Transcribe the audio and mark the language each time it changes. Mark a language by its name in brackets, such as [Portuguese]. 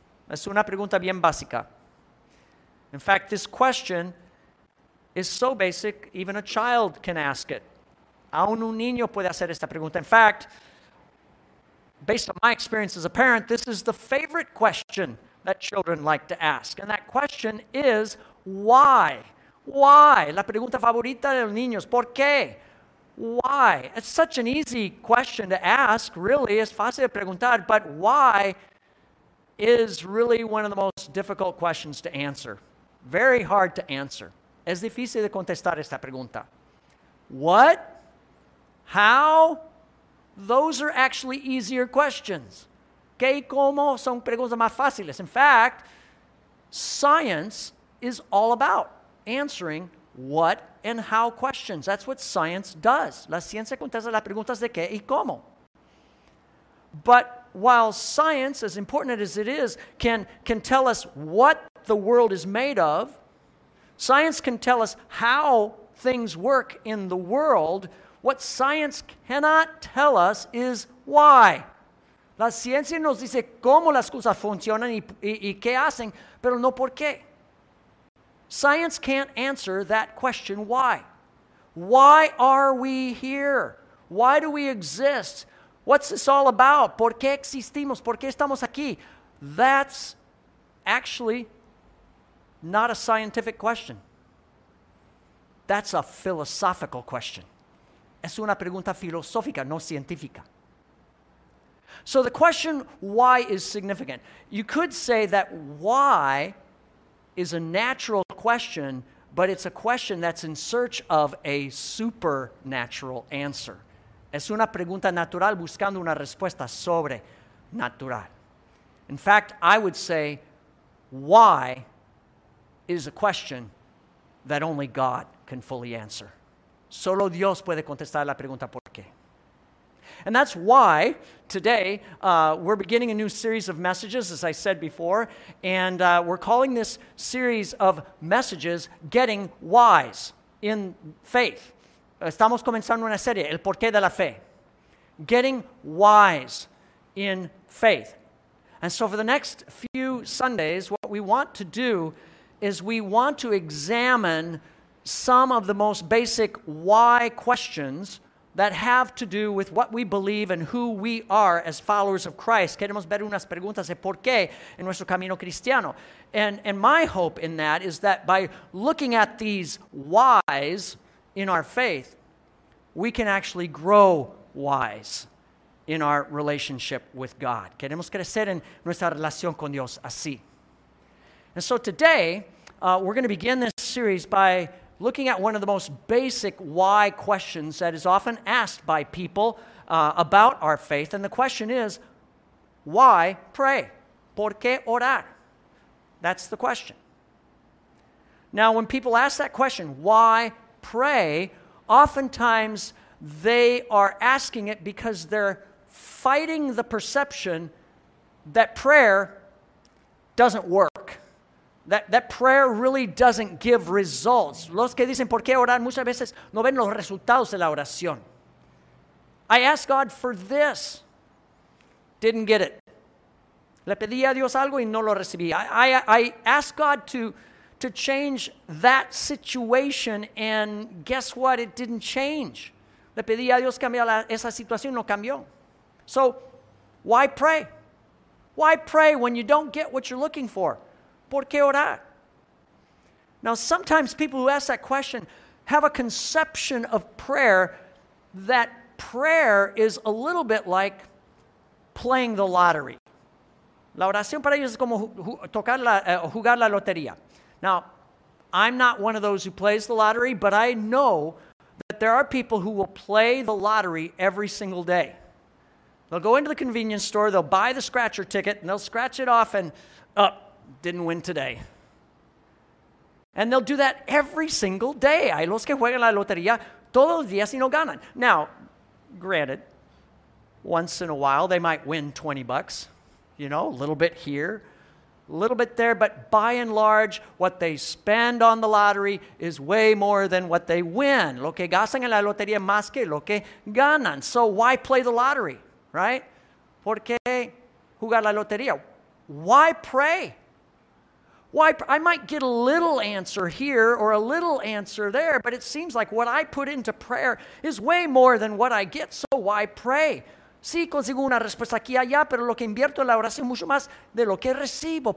[Spanish] Es una pregunta bien básica. [English] In fact, this question is so basic, even a child can ask it. [Spanish] Aún un niño puede hacer esta pregunta. [English] In fact, based on my experience as a parent, this is the favorite question that children like to ask. And that question is, why? Why? [Spanish] La pregunta favorita de los niños, ¿por qué? [English] Why? It's such an easy question to ask, really. [Spanish] Es fácil de preguntar, [English] but why is really one of the most difficult questions to answer. Very hard to answer. [Spanish] Es difícil de contestar esta pregunta. [English] What? How? Those are actually easier questions. [Spanish] ¿Qué y cómo son preguntas más fáciles? [English] In fact, science is all about answering what and how questions. That's what science does. [Spanish] La ciencia contesta las preguntas de qué y cómo. [English] But while science, as important as it is, can tell us what the world is made of, science can tell us how things work in the world. What science cannot tell us is why. [Spanish] La ciencia nos dice cómo las cosas funcionan y qué hacen, pero no por qué. [English] Science can't answer that question, why. Why are we here? Why do we exist? What's this all about? [Spanish] ¿Por qué existimos? ¿Por qué estamos aquí? [English] That's actually not a scientific question. That's a philosophical question. [Spanish] Es una pregunta filosófica, no científica. [English] So the question why is significant. You could say that why is a natural question, but it's a question that's in search of a supernatural answer. [Spanish] Es una pregunta natural buscando una respuesta sobrenatural. [English] In fact, I would say why is a question that only God can fully answer. [Spanish] Solo Dios puede contestar la pregunta por qué. [English] And that's why today we're beginning a new series of messages, as I said before, and we're calling this series of messages Getting Wise in Faith. [Spanish] Estamos comenzando una serie, El Porqué de la Fe. [English] Getting Wise in Faith. And so for the next few Sundays, what we want to do is we want to examine some of the most basic why questions that have to do with what we believe and who we are as followers of Christ. [Spanish] Queremos ver unas preguntas de por qué en nuestro camino cristiano. [English] And my hope in that is that by looking at these whys in our faith, we can actually grow wise in our relationship with God. [Spanish] Queremos crecer en nuestra relación con Dios así. [English] And so today, we're going to begin this series by looking at one of the most basic why questions that is often asked by people about our faith. And the question is, why pray? [Spanish] ¿Por qué orar? [English] That's the question. Now, when people ask that question, why pray, oftentimes they are asking it because they're fighting the perception that prayer doesn't work. That prayer really doesn't give results. [Spanish] Los que dicen por qué orar muchas veces no ven los resultados de la oración. [English] I asked God for this. Didn't get it. [Spanish] Le pedí a Dios algo y no lo recibí. [English] I asked God to change that situation and guess what? It didn't change. [Spanish] Le pedí a Dios cambiar esa situación, no cambió. [English] So, why pray? Why pray when you don't get what you're looking for? [Spanish] ¿Por qué orar? [English] Now, sometimes people who ask that question have a conception of prayer that prayer is a little bit like playing the lottery. [Spanish] La oración para ellos es como jugar la lotería. [English] Now, I'm not one of those who plays the lottery, but I know that there are people who will play the lottery every single day. They'll go into the convenience store, they'll buy the scratcher ticket, and they'll scratch it off and, didn't win today. And they'll do that every single day. [Spanish] Hay los que juegan la lotería todos los días y no ganan. [English] Now, granted, once in a while they might win $20, you know, a little bit here, a little bit there, but by and large, what they spend on the lottery is way more than what they win. [Spanish] Lo que gastan en la lotería más que lo que ganan. [English] So why play the lottery? Right? [Spanish] ¿Por qué jugar la lotería? [English] Why pray? Why? I might get a little answer here or a little answer there, but it seems like what I put into prayer is way more than what I get, so why pray? [Spanish] Sí, consigo una respuesta aquí y allá, pero lo que invierto en la oración es mucho más de lo que recibo.